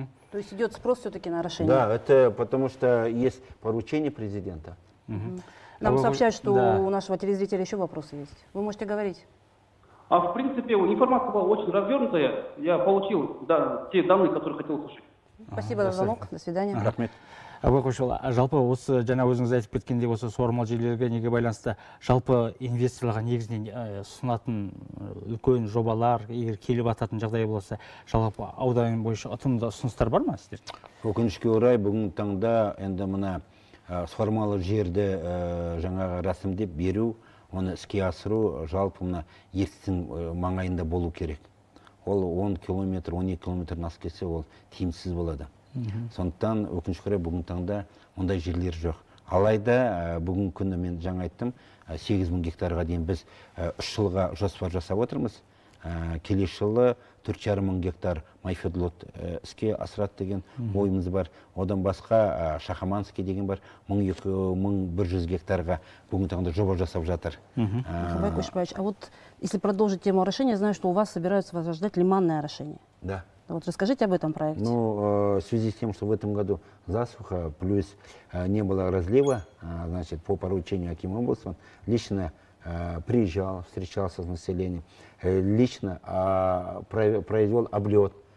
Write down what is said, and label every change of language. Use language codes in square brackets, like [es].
[ru] То есть идет спрос все-таки на орошение? Да, это потому что есть поручение президента. Нам сообщают, что у нашего телезрителя еще вопросы есть. Вы можете говорить. А в принципе информация была очень развернутая. Я получил те данные, которые хотел услышать. Спасибо за звонок. До свидания. [kk] Рахмет. Абай Қойшыл, жалпы осы жаңа өзіңіз айтып кеткенде осы суармалы жерлерге неге байланысты жалпы инвесторларға негізінен ұсынатын үлкен жобалар егер келіп ататын жағдай болса жалпы аудан бойынша ұтымды ұсыныстар бар ма сіздер? Өкінішке орай бүгінгі таңда енді мына суармалы жерді жаңағы рәсімдеп беру оны іске асыру жалпы мына Ертістің маңайында болу керек. Ол 10 километр 12 километр асып кетсе ол тиімсіз болады. Сондықтан өкінішке орай бүгінгі таңда ондай жерлер жоқ. Алайда бүгінгі күні мен жаңа айттым, 8000 гектарға дейін біз 3 жылға жоспар жасап отырмыз. Келесі жылы 4500 гектар Майфедлот іске асырат деген ойымыз бар. Одан басқа Шахаманский деген бар, 1100 гектарға бүгінгі таңда жоба жасап жатыр. [ru] Абай Қойшыбаевич, а вот если продолжить тему орошения, знаю, что у вас собираются возрождать лиманное орошение. Да. Вот расскажите об этом проекте. Ну, в связи с тем, что в этом году засуха, плюс не было разлива, значит, по поручению Акима области, он лично приезжал, встречался с населением, лично произвел облет.